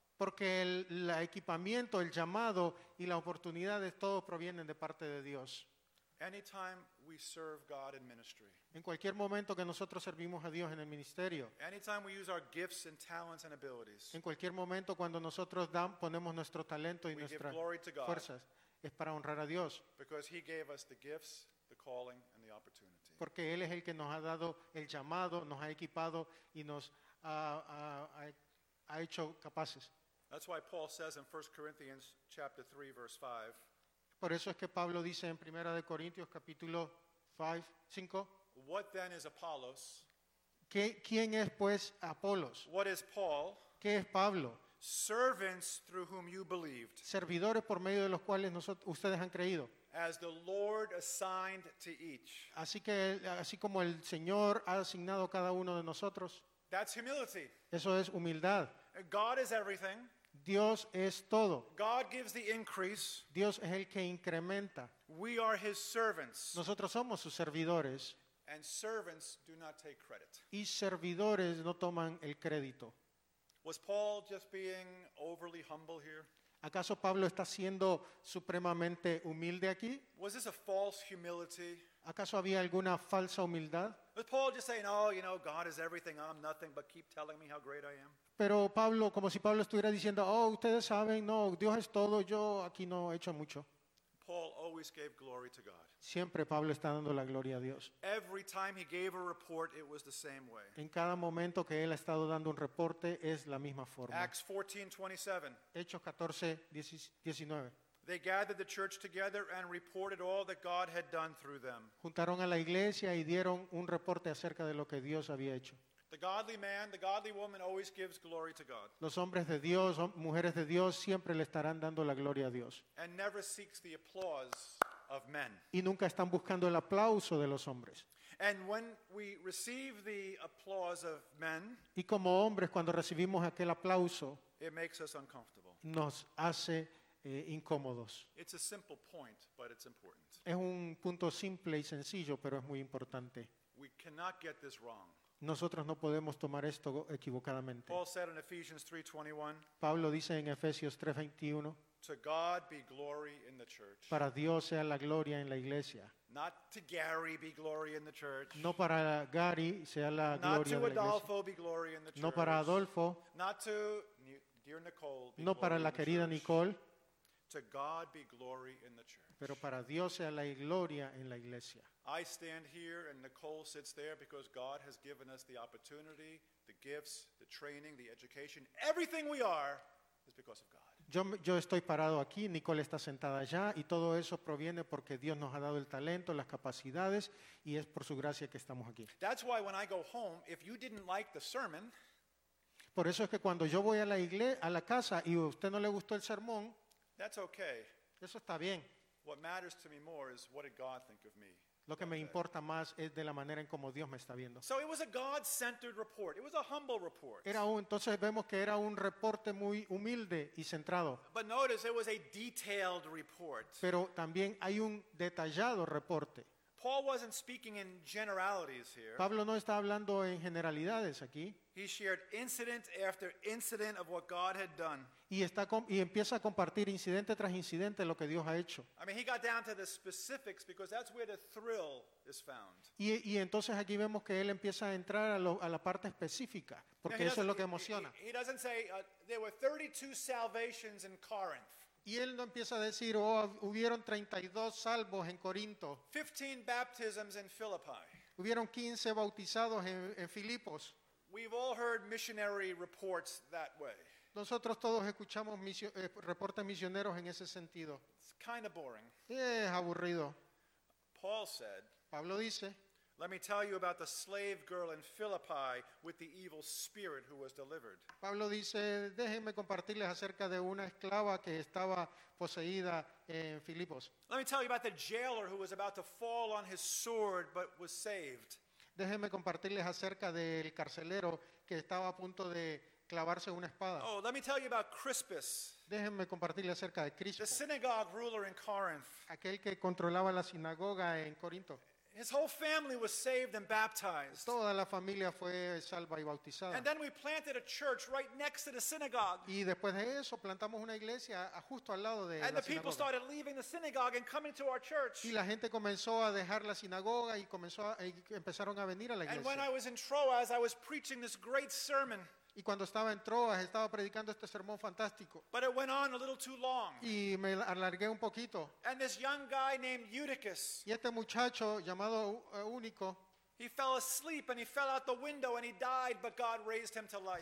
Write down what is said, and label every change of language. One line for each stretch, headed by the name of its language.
Spanish: Porque el equipamiento, el llamado y la oportunidad de todo provienen de parte de Dios.
English: Anytime we serve God in ministry.
Spanish: En cualquier momento que nosotros servimos a Dios en el ministerio.
English: Anytime we use our gifts and talents and abilities.
Spanish: En cualquier momento cuando nosotros ponemos nuestro talento y nuestras fuerzas, es para honrar a Dios.
English: Because he gave us the gifts, the calling and the opportunity.
Spanish: Porque él es el que nos ha dado el llamado, nos ha equipado y nos ha hecho capaces.
English: That's why Paul says in 1 Corinthians chapter 3 verse 5.
Spanish: Por eso es que Pablo dice en Primera de Corintios capítulo 5.
English: What then is Apollos?
Spanish: ¿Quién es pues Apolos?
English: What is Paul?
Spanish: ¿Qué es Pablo?
English: Servants through whom you believed.
Spanish: Servidores por medio de los cuales ustedes han creído.
English: As the Lord assigned to each.
Spanish: Así como el Señor ha asignado a cada uno de nosotros.
English: That's humility.
Spanish: Eso es humildad.
English: God is everything.
Spanish: Dios es todo.
English: God gives the increase.
Spanish: Dios es el que incrementa.
English: We are his servants.
Spanish: Nosotros somos sus servidores.
English: And servants do not take credit.
Spanish: Y servidores no toman el crédito.
English: Was Paul just being overly humble here?
Spanish: ¿Acaso Pablo está siendo supremamente humilde aquí?
English: Was this a false humility?
Spanish: ¿Acaso había alguna falsa humildad?
English: Was Paul just saying, oh, you know, God is everything, I'm nothing, but keep telling me how great I am?
Spanish: Pero Pablo, como si Pablo estuviera diciendo, oh, ustedes saben, no, Dios es todo, yo aquí no he hecho mucho.
English: Paul always gave glory to God.
Spanish: Siempre Pablo está dando la gloria a Dios.
English: Every time he gave a report, it was the same way.
Spanish: En cada momento que él ha estado dando un reporte, es la misma forma.
English: Acts 14:27.
Spanish: Hechos 14:19.
English: They gathered the church together and reported all that God had done through them.
Spanish: Juntaron a la iglesia y dieron un reporte acerca de lo que Dios había hecho.
English: The godly man, the godly woman always gives glory to God.
Spanish: Los hombres de Dios, mujeres de Dios, siempre le estarán dando la gloria a Dios.
English: And never seeks the applause of men.
Spanish: Y nunca están buscando el aplauso de los hombres.
English: And when we receive the applause of men,
Spanish: y como hombres, cuando recibimos aquel aplauso,
English: it makes us uncomfortable.
Spanish: Nos hace incómodos.
English: It's a simple point, but it's important.
Spanish: Es un punto simple y sencillo, pero es muy importante.
English: We cannot get this wrong.
Spanish: Nosotros no podemos tomar esto equivocadamente.
English: Paul said in Ephesians 3:21,
Spanish: Pablo dice en Efesios 3:21,
English: to God be glory in the church.
Spanish: Para Dios sea la gloria en la iglesia.
English: Not to Gary be glory in the church.
Spanish: No para Gary sea la gloria en la iglesia.
English: Not to Adolfo be glory in the church.
Spanish: No para Adolfo.
English: Not to dear Nicole.
Spanish: No para la querida Nicole.
English: To God be glory in the church.
Spanish: Pero para Dios sea la gloria en la iglesia.
English: I stand here and Nicole sits there because God has given us the opportunity, the gifts, the training, the education, everything we are is because of God.
Spanish: Yo estoy parado aquí, Nicole está sentada allá y todo eso proviene porque Dios nos ha dado el talento, las capacidades y es por su gracia que estamos aquí.
English: That's why when I go home, if you didn't like the sermon,
Spanish: por eso es que cuando yo voy a la iglesia, a la casa y usted no le gustó el sermón,
English: that's okay.
Spanish: Eso está bien.
English: What matters to me more is what did God think of me?
Spanish: Lo que me importa más es de la manera en como Dios me está viendo.
English: So it was a God-centered report. It was a humble report.
Spanish: Entonces vemos que era un reporte muy humilde y centrado.
English: But notice it was a detailed report.
Spanish: Pero también hay un detallado reporte.
English: Paul wasn't speaking in generalities here.
Spanish: Pablo no está hablando en generalidades aquí.
English: He shared incident after incident of what God had done.
Spanish: Y empieza a compartir incidente tras incidente lo que Dios ha hecho.
English: I mean, he got down to the specifics because that's where the thrill is found.
Spanish: Y entonces aquí vemos que él empieza a entrar a la parte específica, porque eso es lo que emociona.
English: He doesn't say there were 32 salvations in Corinth.
Spanish: Y él no empieza a decir, oh, hubieron 32 salvos en Corinto.
English: 15 baptisms in Philippi.
Spanish: Hubieron 15 bautizados en Filipos.
English: We've all heard missionary reports that way.
Spanish: Nosotros todos escuchamos reportes misioneros en ese sentido.
English: It's kind of boring.
Spanish: Es aburrido.
English: Paul said,
Spanish: Pablo dice,
English: let me tell you about the slave girl in Philippi with the evil spirit who was delivered.
Spanish: Pablo dice, déjenme compartirles acerca de una esclava que estaba poseída en Filipos.
English: Let me tell you about the jailer who was about to fall on his sword but was saved.
Spanish: Déjenme compartirles acerca del carcelero que estaba a punto de clavarse una espada.
English: Oh, let me tell you about Crispus.
Spanish: Déjenme compartirles acerca de Crispo.
English: The synagogue ruler in Corinth.
Spanish: Aquel que controlaba la sinagoga en Corinto.
English: His whole family was saved and baptized.
Spanish: Toda la familia fue salva y bautizada.
English: And then we planted a church right next to the synagogue.
Spanish: Y después de eso plantamos una iglesia justo al lado de la sinagoga.
English: And the people started leaving the synagogue and coming to our church.
Spanish: Y la gente comenzó a dejar la sinagoga y empezaron a venir a la iglesia.
English: And when I was in Troas, I was preaching this great sermon.
Spanish: Y cuando estaba en Troas, estaba predicando este sermón fantástico.
English: But it went on a little too long.
Spanish: Y me alargué un poquito.
English: And this young guy named Eutychus,
Spanish: y este muchacho llamado Único,
English: he fell asleep and he fell out the window and he died, but God raised him to life.